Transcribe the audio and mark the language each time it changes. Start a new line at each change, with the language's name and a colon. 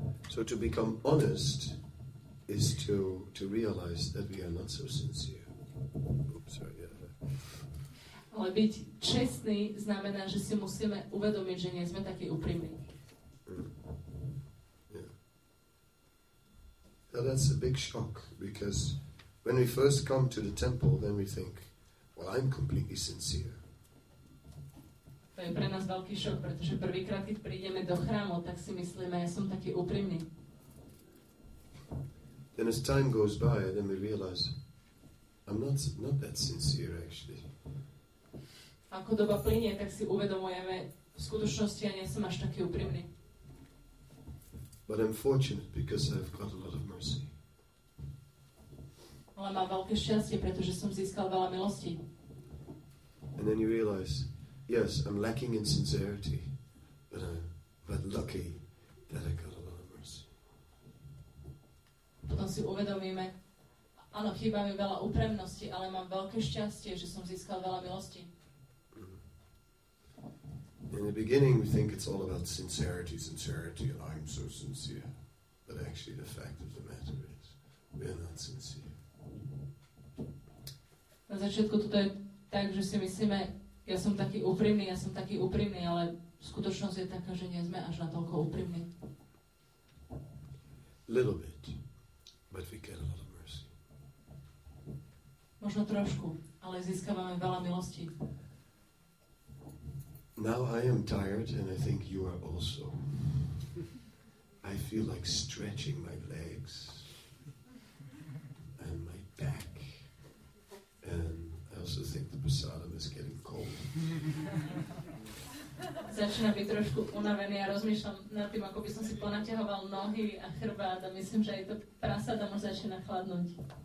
English: So to become honest is to realize that we are not so sincere.
Slovak: Ale byť čestný znamená, že si musíme uvedomiť, že nie sme takí úprimní.
English: Yeah. Now that's a big shock, because when we first come to the temple, then we think, well, I'm completely sincere.
Slovak: To je pre nás veľký šok, pretože prvýkrát, keď prídeme do chrámu, tak si myslíme, ja som taký úprimný.
English: Then as time goes by, then we realize, I'm not that sincere, actually.
Slovak: Ako doba plynie, tak si uvedomujeme, v skutočnosti ja nie som až taký úprimný.
English: But I'm fortunate because I've got a lot of mercy.
Slovak: Ale mám veľké šťastie, pretože som získal veľa milostí.
English: And then you realize, yes, I'm lacking in sincerity, but lucky that I got a lot of mercy.
Slovak: Potom si uvedomíme, áno, chýba mi veľa úprimnosti, ale mám veľké šťastie, že som získal veľa milostí.
English: In the beginning we think it's all about sincerity, and I'm so sincere. But actually the fact of the matter is, we're not sincere.
Slovak: Na začiatku toto je tak, že si myslíme, ja som taký úprimný, ale skutočnosť je taká, že nie sme až natoľko úprimní.
English: Little bit, but we get a lot of mercy.
Slovak: Možno trošku, ale získavame veľa milostí.
English: Now I am tired, and I think you are also. I feel like stretching my legs and my back. And I also think the prasadam is getting cold.
Slovak: Začína byť trošku unavený a rozmýšľam nad tým, ako by som si ponatiahoval nohy a chrbát a myslím, že aj to prasada mu začína chladnúť.